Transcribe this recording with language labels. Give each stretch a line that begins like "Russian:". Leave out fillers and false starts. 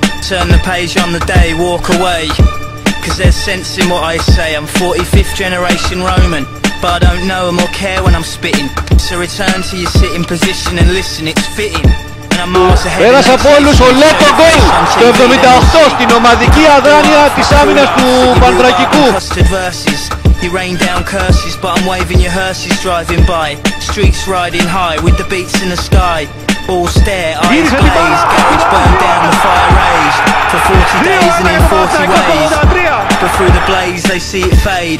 English: Turn the page on the day, walk away. Cause there's sense in what I say. I'm 45th generation Roman, but I don't know them or care when I'm spitting. So return to your sitting position and listen, it's fitting.
Greek: Ένας από όλους, ο Λέτο γκολ στο 78 στην ομαδική αδράνεια της άμυνας του Πανδρακικού.
English: You rain down curses, but I'm waving your hearses driving by. Streets riding high with the beats in the sky. All stare, eyes blaze, garage burned down, the fire raged. For 40 days and in 40 ways. But through the blaze they see it fade.